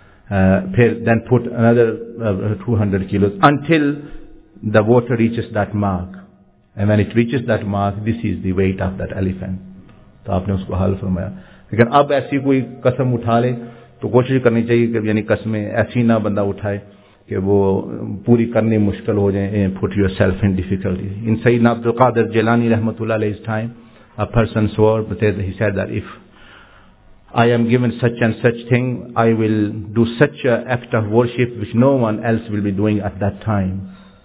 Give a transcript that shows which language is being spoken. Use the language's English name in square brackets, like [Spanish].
[English] Then put another 200 kilos until the water reaches that mark. And when it reaches that mark, this is the weight of that elephant. So you have [Urdu] حل فرمایا. لیکن اب ایسی کوئی قسم اٹھا لے تو کوشش کرنی چاہیے کہ یعنی قسمیں ایسی نہ بندہ اٹھائے کہ وہ پوری کرنی مشکل ہو جائیں. [English] Put yourself in difficulty. In سیدنا Abdul Qadir Jilani رحمۃ اللہ علیہ time, a person swore, but he said that if I am given such and such thing, I will do such an act of worship which no one else will be doing at that time.